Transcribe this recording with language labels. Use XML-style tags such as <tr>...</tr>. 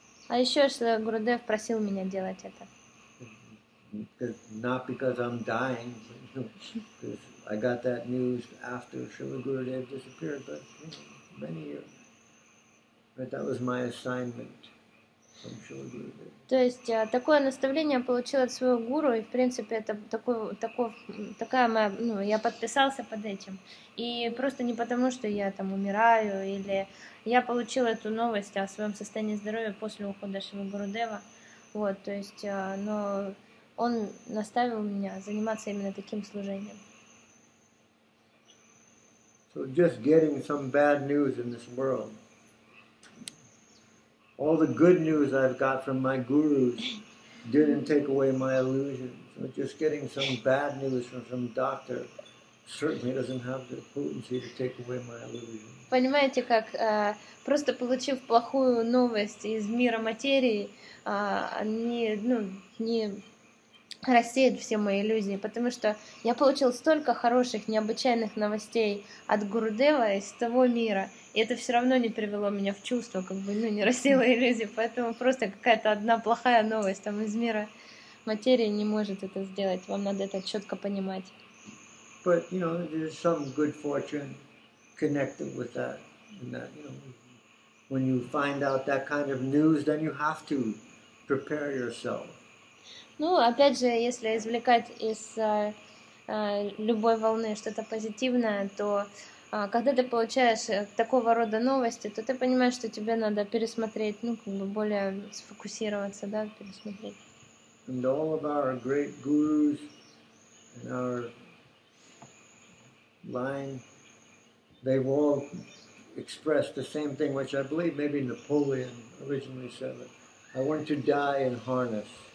<ru>А еще Шри Гурудев просил меня делать это.</ru> <en>Not because I'm dying, because I got that news after Shri Gurudev disappeared, but many years. But that was my assignment from Shri Gurudev.</en> <ru>То есть такое наставление получил от своего гуру, и в принципе это такая моя, ну, я подписался под этим. И просто не потому, что я там умираю, или я получил эту новость о своем состоянии здоровья после ухода Шри Гурудева. Вот, то есть, но он наставил меня заниматься именно таким служением.</ru> <en>So just getting some bad news in this world. All the good news I've got from my gurus didn't take away my illusions. But just getting some bad news from some doctor certainly doesn't have the potency to take away my illusions.</en> <ru>Понимаете, как просто получив плохую новость из мира материи, не рассеет все мои иллюзии, потому что я получил столько хороших, необычайных новостей от Гурудева из того мира, и это все равно не привело меня в чувство, как бы, ну, не рассеяло иллюзии, поэтому просто какая-то одна плохая новость там из мира материи не может это сделать, вам надо это четко понимать.</ru> <en>But, you know, there's some good fortune connected with that, and that, you know, when you find out that kind of news, then you have to prepare yourself.</en> <ru>Ну, опять же, если извлекать из любой волны что-то позитивное, то когда ты получаешь такого рода новости, то ты понимаешь, что тебе надо пересмотреть, ну, как бы более сфокусироваться, да, пересмотреть.</ru> <en>And all of our great gurus and our line, they all expressed the same thing, which I believe maybe Napoleon originally said it. I want to die in harness.</en>